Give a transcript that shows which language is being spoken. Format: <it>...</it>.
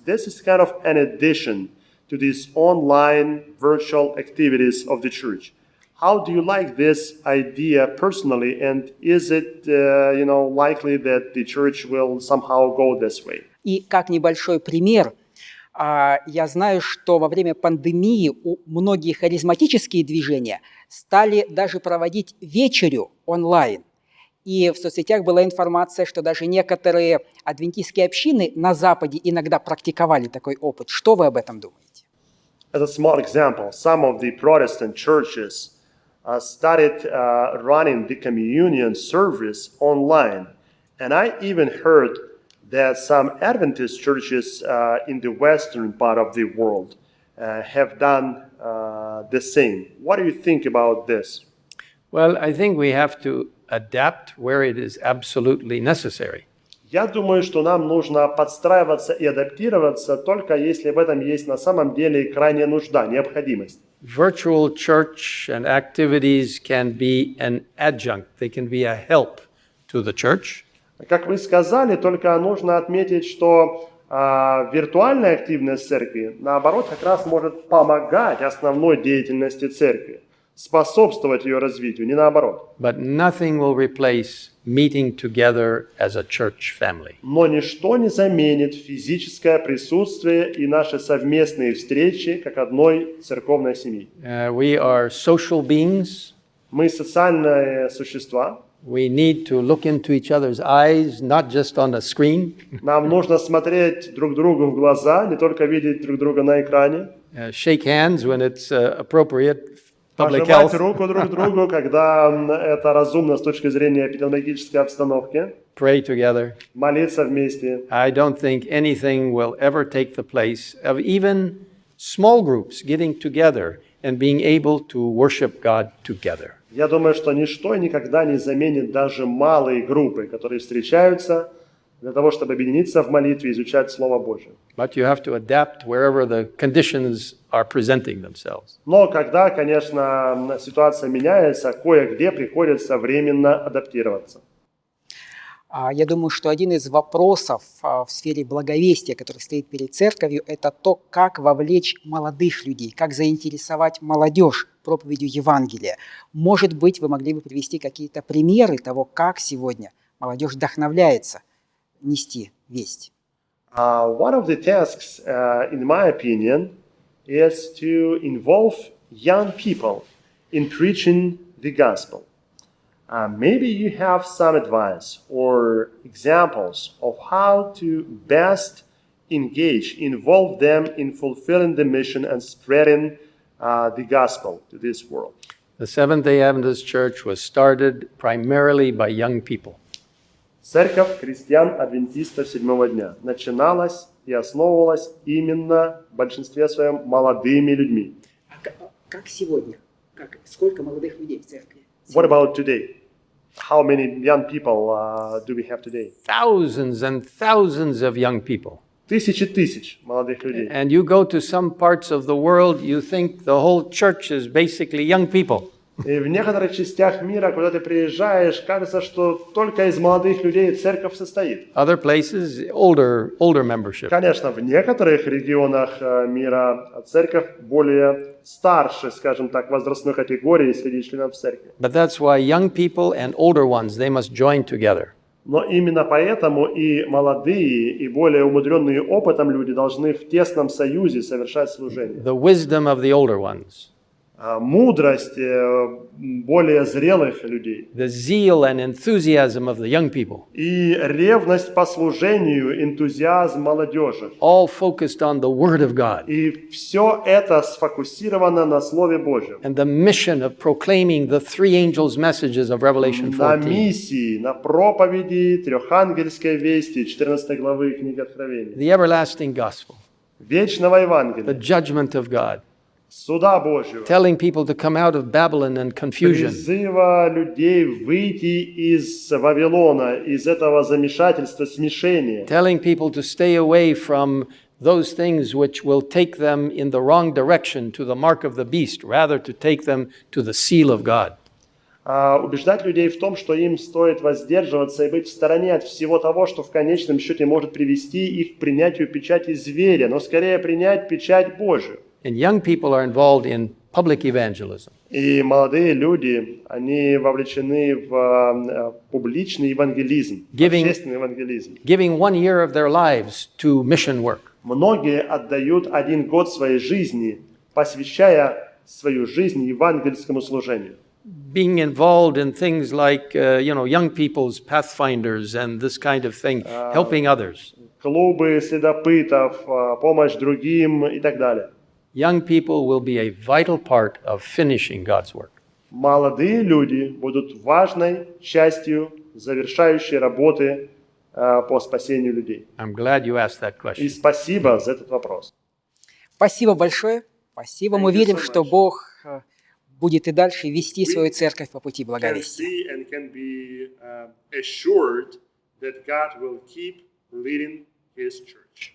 <en>This is kind of an addition to these online virtual activities of the church. How do you like this idea personally, and is it likely that the church will somehow go this way?</en> <ru>И как небольшой пример, я знаю, что во время пандемии многие харизматические движения стали даже проводить вечерю онлайн. И в соцсетях была информация, что даже некоторые адвентистские общины на Западе иногда практиковали такой опыт. Что вы об этом думаете?</ru> <en>As a small example, some of the Protestant churches started running the communion service online. And I even heard that some Adventist churches in the western part of the world have done the same. What do you think about this? Well, I think we have to adapt where it is absolutely necessary.</en> <ru>Я думаю, что нам нужно подстраиваться и адаптироваться только если в этом есть на самом деле крайняя нужда, необходимость.</ru> <en>Virtual church and activities can be an adjunct. They can be a help to the church.</en> <ru>Как вы сказали, только нужно отметить, что виртуальная активность церкви, наоборот, как раз может помогать основной деятельности церкви, способствовать ее развитию, не наоборот.</ru> <en>But nothing will replace meeting together as a church family.</en> <ru>Но ничто не заменит физическое присутствие и наши совместные встречи как одной церковной семьи.</ru> <en>We are social beings.</en> <ru>Мы социальные существа.</ru> <en>We need to look into each other's eyes, not just on a screen.</en> <ru>Нам нужно смотреть друг другу в глаза, не только видеть друг друга на экране.</ru> <en>Shake hands when it's appropriate.</en> <ru>Пожимать руку друг другу, когда это разумно с точки зрения эпидемиологической обстановки.</ru> <en>Pray together.</en> <ru>Молиться вместе.</ru> <en>I don't think anything will ever take the place of even small groups getting together and being able to worship God together.</en> <ru>Я думаю, что ничто никогда не заменит даже малые группы, которые встречаются для того, чтобы объединиться в молитве и изучать Слово Божие.</ru> <en>But you have to adapt wherever the conditions are presenting themselves.</en> <ru>Но когда, конечно, ситуация меняется, кое-где приходится временно адаптироваться. Я думаю, что один из вопросов в сфере благовестия, который стоит перед церковью, это то, как вовлечь молодых людей, как заинтересовать молодежь проповедью Евангелия. Может быть, вы могли бы привести какие-то примеры того, как сегодня молодежь вдохновляется нести весть?</ru> <en>One of the tasks, in my opinion, is to involve young people in preaching the gospel. Maybe you have some advice or examples of how to best engage, involve them in fulfilling the mission and spreading the gospel to this world. The Seventh-day Adventist Church was started primarily by young people.</en> <ru>Церковь христиан-адвентистов седьмого дня начиналась и основывалась именно в большинстве своем молодыми людьми. Как сегодня? Сколько молодых людей в церкви?</ru> <en>What about today? How many young people do we have today? Thousands and thousands of young people.</en> <ru>Тысячи тысяч молодых людей.</ru> <en>And you go to some parts of the world, you think the whole church is basically young people.</en> <ru>И в некоторых частях мира, куда ты приезжаешь, кажется, что только из молодых людей церковь состоит.</ru> <en>Other places, older membership.</en> <ru>Конечно, в некоторых регионах мира церковь более старше, скажем так, возрастной категории среди членов церкви.</ru> <en>But that's why young people and older ones, they must join together.</en> <ru>Но именно поэтому и молодые, и более умудренные опытом люди должны в тесном союзе совершать служение.</ru> <en>The wisdom of the older ones.</en> <ru>Мудрость более зрелых людей.</ru> <en>The zeal and enthusiasm of the young people.</en> <ru>И ревность по служению, энтузиазм молодежи.</ru> <en>All focused on the word of God.</en> <ru>И все это сфокусировано на Слове Божьем.</ru> <en>And the mission of proclaiming the three angels' messages of Revelation 14.</en> <ru>На миссии, на проповеди трехангельской вести 14 главы книги Откровения.</ru> <en>The everlasting gospel.</en> <ru>Вечного Евангелия.</ru> <en>The judgment of God.</en> <ru>Суда Божьего.</ru> <en>Telling people to come out of Babylon and confusion.</en> <ru>Призыва людей выйти из Вавилона, из этого замешательства, смешения.</ru> <en>Telling people to stay away from those things which will take them in the wrong direction to the mark of the beast, rather to take them to the seal of God.</en> <ru>Убеждать людей в том, что им стоит воздерживаться и быть в стороне от всего того, что в конечном счете может привести их к принятию печати зверя, но скорее принять печать Божию.</ru> <en>And young people are involved in public evangelism.</en> <ru>И молодые люди, они вовлечены в публичный евангелизм, общественный евангелизм.</ru> <en>Giving 1 year of their lives to mission work.</en> <ru>Многие отдают 1 год своей жизни, посвящая свою жизнь евангельскому служению.</ru> <en>Being involved in things like, young people's pathfinders and this kind of thing, helping others.</en> <ru>Клубы следопытов, помощь другим и так далее.</ru> <en>Young people will be a vital part of finishing God's work.</en> <ru>Молодые люди будут важной частью завершающей работы по спасению людей.</ru> <en>I'm glad you asked that question.</en> <ru>И спасибо за этот вопрос. Спасибо большое. Спасибо.</ru> <en>Thank</en> <ru>Мы верим,</ru> <en>so</en> <ru>что Бог будет и дальше вести свою церковь по пути благовестия.</ru> <en>We can see and can be assured that God will keep leading His church.</en>